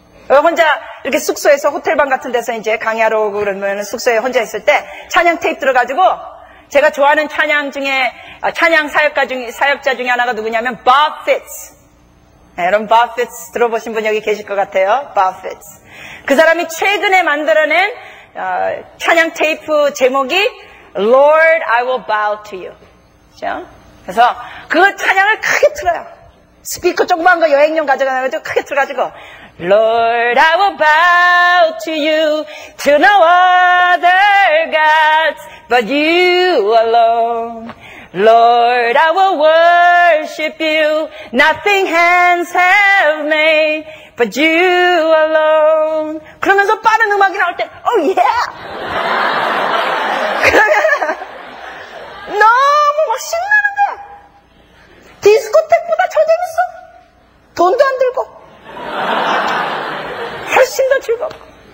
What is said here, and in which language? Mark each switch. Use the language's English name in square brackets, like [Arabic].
[Korean] 혼자 이렇게 숙소에서 호텔방 같은 데서 이제 강의하러 오고 그러면 숙소에 혼자 있을 때 찬양 테이프 들어가지고 제가 좋아하는 찬양 중에 찬양 사역자 중에 하나가 누구냐면 Buffett. 네, 여러분 Buffett 들어보신 분 여기 계실 것 같아요. Buffett. 그 사람이 최근에 만들어낸 찬양 테이프 제목이 [English] Lord, I will bow to you. [Korean] 그렇죠? 그래서 그 찬양을 크게 틀어요. 스피커 조그만 거 여행용 가져가가지고 크게 틀어가지고 [English] Lord, I will bow to you to no other gods but you alone. Lord, I will worship you. Nothing hands have made but you alone. [Korean] 그러면서 빠른 음악이 나올 때 Oh yeah! 그러면 너무 멋있는 디스코텍보다 더 재밌어. 돈도 안 들고 훨씬 더 즐겁고.